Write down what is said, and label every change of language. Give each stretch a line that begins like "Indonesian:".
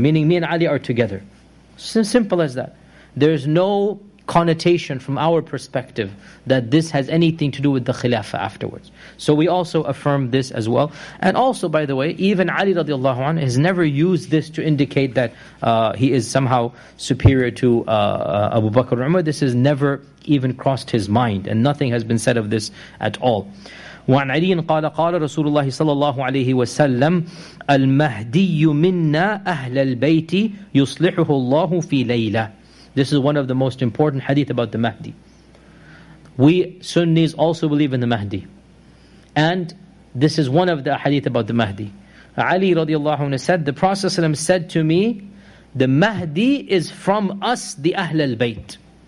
English: Meaning me and Ali are together. Simple as that. There's no connotation from our perspective that this has anything to do with the Khilafah afterwards. So we also affirm this as well. And also, by the way, even Ali
Arabic: radiallahu anhu
English: has never used this to indicate that he is somehow superior to Abu Bakr Umar. This has never even crossed his mind, and nothing has been said of this at all.
Arabic: وعن علي قال قال رسول الله صلى الله عليه وسلم المهدي منا أهل البيت يصلحه الله في ليلة.
English: This is one of the most important hadith about the Mahdi. We Sunnis also believe in the Mahdi. And this is one of the hadith about the Mahdi. Ali
Arabic: radiallahu anhu
English: said, the Prophet ﷺ said to me, the Mahdi is from us, the Ahl al-Bayt.